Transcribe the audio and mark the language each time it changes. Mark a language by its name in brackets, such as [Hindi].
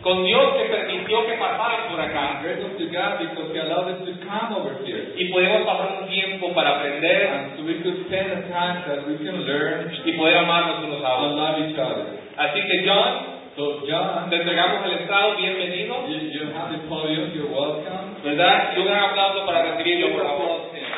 [Spanish] Con Dios que permitió que pasaran por acá. [English] I'm grateful to God because He allowed us to come over here. [Spanish] Y podemos pasar un tiempo para aprender. [English] And so we could spend the time that we can learn. [Spanish] Y poder amarnos unos a otros. [English] And love each other. [Spanish] Así que John. [English] So John. [Spanish] Te entregamos el estrado. Bienvenido. [English] You have the podium. You're welcome. [Spanish] ¿Verdad? Y un gran aplauso para recibirlo, por favor.